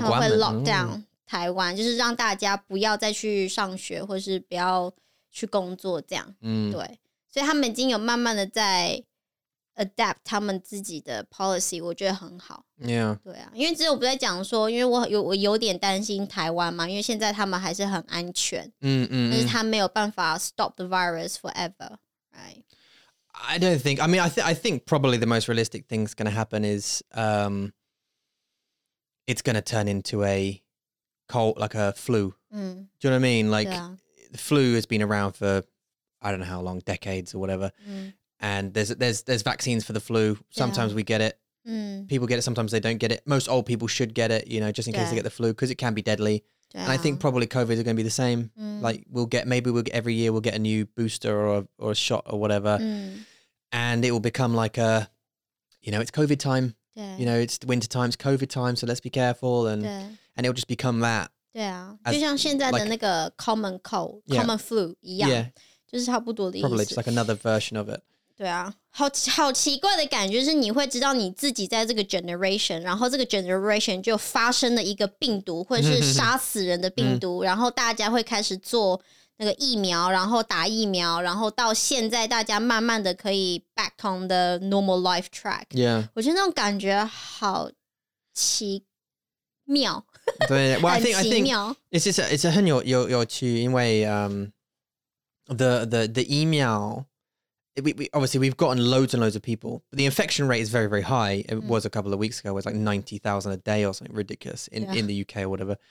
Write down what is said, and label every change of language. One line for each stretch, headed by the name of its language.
Chinese: 他们会 lock down 台湾，就是让大家不要再去上学或是不要去工作这样。对。所以他们已经有慢慢的在 adapt 他们自己的 policy， 我觉得很好。
English: Yeah.
Chinese: 对啊，因为只有我不在讲说，因为我有点担心台湾嘛，因为现在他们还是很安全。但是他没有办法
English: stop the virus forever, right? I don't think. I mean, I think probably the most realistic thing that's going to happen is it's going to turn into a cold, like a flu. Do you know what I mean? Like the flu has been around for. I don't know how long, decades or whatever. And there's vaccines for the flu. Sometimes we get it. People get it, sometimes they don't get it. Most old people should get it, you know, just in case they get the flu, because it can be deadly. And I think probably COVID is going to be the same. Like maybe every year we'll get a new booster or a shot or whatever. And it will become like a, you know, it's COVID time. You know, it's winter time, it's COVID time. So let's be careful. And it'll just become that.
Chinese: Yeah. 就像现在的那个
English: common cold, common flu
Chinese: 一样。 Yeah. 就是差不多的意思。
English: Probably just like another version of it.
Chinese: 对啊，好奇怪的感觉是你会知道你自己在这个 generation， 然后这个 generation 就发生了一个病毒，或者是杀死人的病毒，然后大家会开始做那个疫苗，然后打疫苗，然后到现在大家慢慢的可以
English: back on the normal life track. Yeah.
Chinese: 我觉得那种感觉好奇妙。
English: 对，Well, I think it's a
Chinese: 很有趣，因为
English: The email, we obviously we've gotten loads and loads of people. The infection rate is very, very high. It was a couple of weeks ago. It was like 90,000 a day or something ridiculous in the UK or whatever.